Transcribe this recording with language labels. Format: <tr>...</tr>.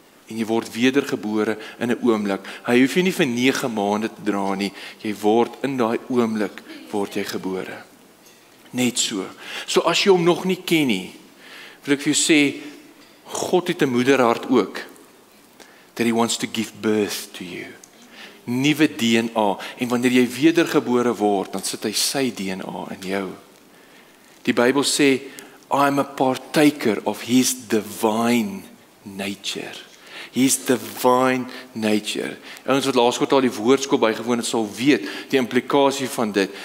<af>En jy word wedergebore in 'n oomblik. Hy hoef jy nie vir 9 maande te dra nie. Jy word in daai oomblik word jy gebore. Net so. So as jy hom nog nie ken nie, wil ek vir jou sê, God het 'n moederhart ook.</af> <en>That he wants to give birth to you.</en> <af>Nuwe DNA. En wanneer jy wedergebore word, dan sit hy sy DNA in jou. Die Bybel sê,</af> <en>I am a partaker of his divine nature. His divine nature.</en> <af>Ons wat laas kwartaal die woordskool bygewoon het sal weet die implikasie van dit.</af>